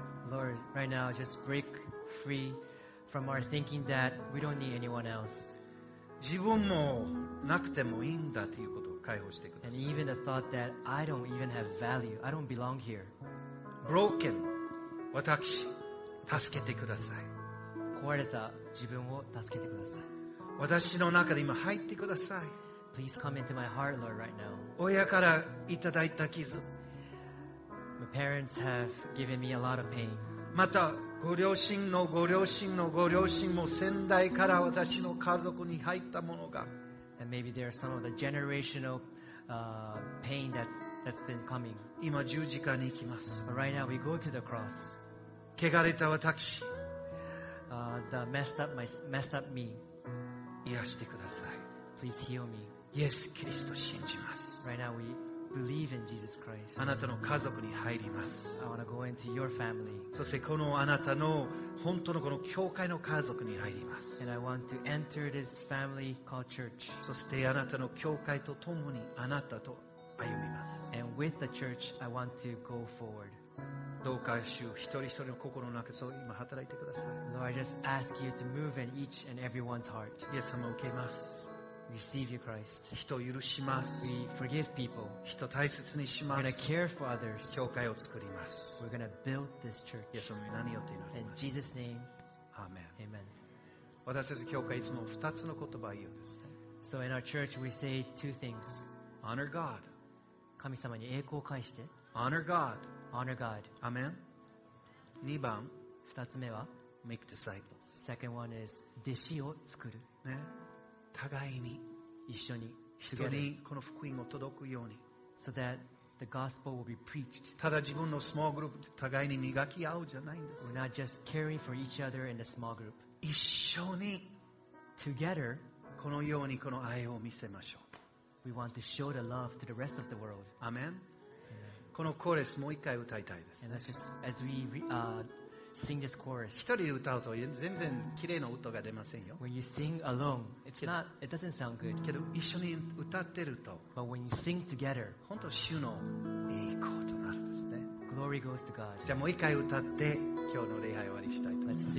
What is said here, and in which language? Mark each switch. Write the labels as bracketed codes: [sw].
[en] Lord, right now, just break free from our thinking that we don't need anyone else. [ja] 自分もなくてもいいんだということを解放してください。 [en] And even the thought that I don't even have value, I don't belong here. Broken, [ja] 私、助けてください。壊れた自分を助けてください。私の中で今入ってください。 [en] Please come into my heart, Lord, right now. [ja] 親からいただいた傷。 [en] My parents have given me a lot of pain. [ja] またご両親のご両親のご両親も先代から私の家族に入ったものが。 [en] And maybe there are some of the generational pain that's been coming. [ja] 今十字架に行きます。 [en] But right now we go to the cross. [ja] 汚れた私、 [en] the messed up, my, messed up me. [ja] 癒してください。 [en] Please heal me. [ja] イエス・キリストを信じます。 [en] Right now we believe in Jesus Christ. [ja] あなたの家族に入ります。 [en] I want to go into your family. [ja] そしてこのあなたの本当のこの教会の家族に入ります。 [en] And I want to enter this family called church. [ja] そしてあなたの教会とともにあなたと歩みます。 [en] And with the church, I want to go forward. [ja] どうか主一人一人の心の中そう今働いてください。 [en] Lord, I just ask you to move in each and everyone's heart. [ja] イエス様を受けます。 [en] Receive you, Christ. [ja] 人を許します。 [en] We forgive people. [ja] 人を大切にします。 [en] We're gonna care for others. [ja] 教会を作ります。 [en] We're gonna build this church. [ja] イエス様に何よって祈ります。 [en] In Jesus' name. Amen. Amen. [ja] 私たち教会いつも二つの言葉を言うんです。 [en] So in our church, we say two things. Honor God. [ja] 神様に栄光を返して。 [en] Honor God. Honor God. Amen. [ja] 二番。二つ目は。 [en] Make disciples. Second one is [ja] 弟子を作る。ね。互いに一緒に人にこの福音を届くように [en] so that the gospel will be preached. [ja] ただ自分のスモールグループで互いに磨き合うじゃないんです。 [en] We're not just caring for each other in the small group. [ja] 一緒に [en] together [ja] このようにこの愛を見せましょう。 [en] We want to show the love to the rest of the world. Amen. [ja] このコーラスもう一回歌いたいです。 [en] And that's just as we sing this chorus. [ja] 一人で歌うと全然綺麗な音が出ませんよ。 [en] When you sing alone, it doesn't sound good. [ja] けど一緒に歌ってると、 [en] But when you sing together, [ja] 本当主の栄光となるんですね。 [en] Glory goes to God. [ja] じゃあもう一回歌って今日の礼拝終わりしたいと思います。